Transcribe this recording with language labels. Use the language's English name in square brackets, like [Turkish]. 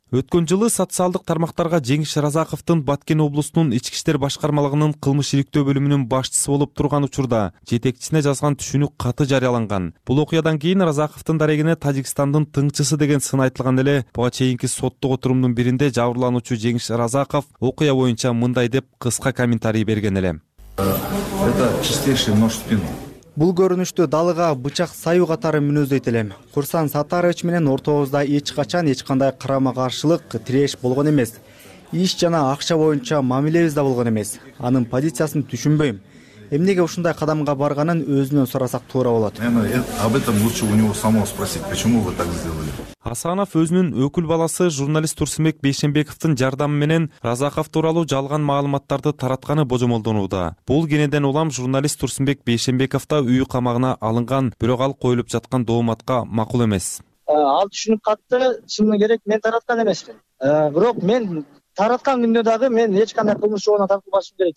[Kyrgyz] Өткөн жылы социалдык тармактарга Жеңиш Разаковдун Баткен облусунун Ички иштер башкармалыгынын кылмыш иликтөө бөлүмүнүн башчысы болуп турган учурда жетекчисине жазган түшүнүк каты жарыяланган. Бул окуядан кийин Разаковдун дарегине Тажикстандын тыңчысы деген сын айтылган эле, буга чейинки соттук отурумдун биринде жабырлануучу Жеңиш Разаков окуя боюнча мындай деп кыска комментарий берген эле. [Russian] Это чистейший нож в спину. [Kyrgyz] Бул көрүнүштү далыга бычак саюу катары мүнөздөйт элем. Курсан Сатарович менен ортообузда эч качан эч кандай карама каршылык, тиреш болгон эмес. Иш жана акча боюнча мамилебиз да болгон эмес. Анын позициясын түшүнбөйм. Эмнеге ушундай кадамга барганын өзүнөн сурасак туура болот. [Russian] Об этом лучше у него самого спросить, почему вы так сделали? [Kyrgyz] Асанов өзүнүн өкүл баласы журналист Турсунбек Бейшенбековдун жардамы менен Разаков тууралуу жалган маалыматтарды таратканы божомолдонууда. Бул кенеден улам журналист Турсунбек Бейшенбеков да үй камагына алынган, бирок ал коюлуп жаткан дооматка макул эмес. Ал түшүнүп катты, чыны керек мен тараткан эмесмин. Бирок мен тараткан күндө дагы мен эч кандай кылмыш жооуна тартылбашым керек.